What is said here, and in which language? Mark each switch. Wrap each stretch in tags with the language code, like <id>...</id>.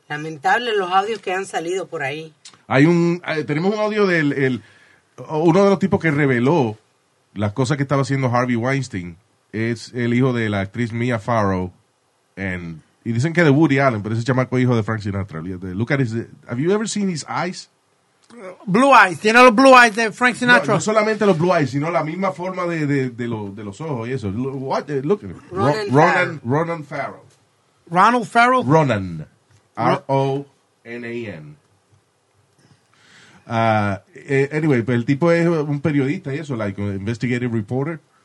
<es>Lamentable los audios que han salido por ahí. Hay un tenemos un audio del el, uno de los tipos que reveló las cosas que estaba haciendo Harvey Weinstein es el hijo de la actriz Mia Farrow y dicen que de Woody Allen, pero ese chamaco hijo de Frank Sinatra.</es> <en>Look at his, have you ever seen his eyes? Blue eyes,</en> <es>tiene los</es> <en>blue eyes</en> <es>de Frank Sinatra. No solamente los</es> <en>blue eyes,</en> <es>sino la misma forma de los ojos y eso.</es> <en>What? Look at Ronan Farrow. Ronald Farrow? Ronan. R-O-N-A-N.</en> <es>Anyway, pues el tipo es un periodista y eso,</es> <en>like an investigative reporter.</en>